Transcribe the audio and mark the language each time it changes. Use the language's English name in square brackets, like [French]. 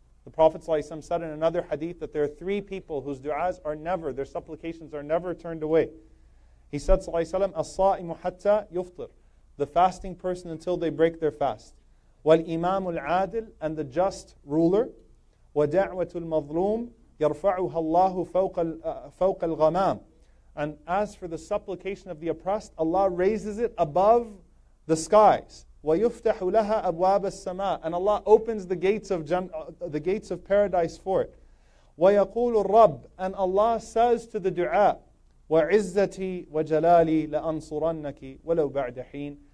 [English] The Prophet ﷺ said in another hadith that there are three people whose du'as are never, their supplications are never turned away. He said, [Arabic] As-sa'imu hatta yuftir, [English] the fasting person until they break their fast. [Arabic] والإمام العادل [English] and the just ruler. [Arabic] ودعوة المظلوم يرفعها الله فوق الغمام. [English] And as for the supplication of the oppressed, Allah raises it above the skies. [Arabic] ويفتح لها أبواب السماء. [English] And Allah opens the gates of paradise for it. [Arabic] ويقول الرب. [English] And Allah says to the dua, [Arabic] وعزتي وجلالي لأنصرنك ولو بعد حين.